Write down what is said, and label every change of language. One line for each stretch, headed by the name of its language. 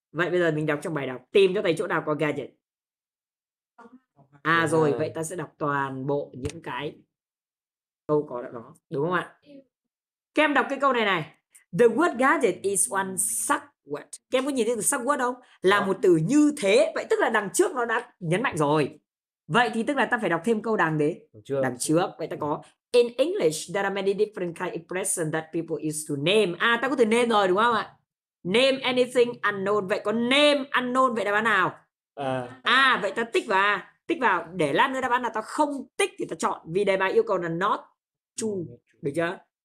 Vietnamese: Vậy bây giờ mình đọc trong bài đọc. Tìm cho thầy chỗ nào có gadget. À rồi, vậy ta sẽ đọc toàn bộ những cái câu có đã có. Đúng không ạ? Các em đọc cái câu này này.
English: The word gadget is one such word.
Vietnamese: Các em có nhìn thấy từ such word không? Là một từ như thế. Vậy tức là đằng trước nó đã nhấn mạnh rồi. Vậy thì tức là ta phải đọc thêm câu đằng đấy. Đằng trước. Vậy ta có.
English: In English, there are many different kinds of expressions that people use to name.
Vietnamese: À, ta có từ name rồi, đúng không ạ?
English: Name anything unknown.
Vietnamese: Vậy có name unknown, vậy đáp án nào? Vậy ta tích vào A. Tích vào, để lát nữa đáp án là ta không tích thì ta chọn. Vì đề bài yêu cầu là
English: not true.
Vietnamese: Được chưa?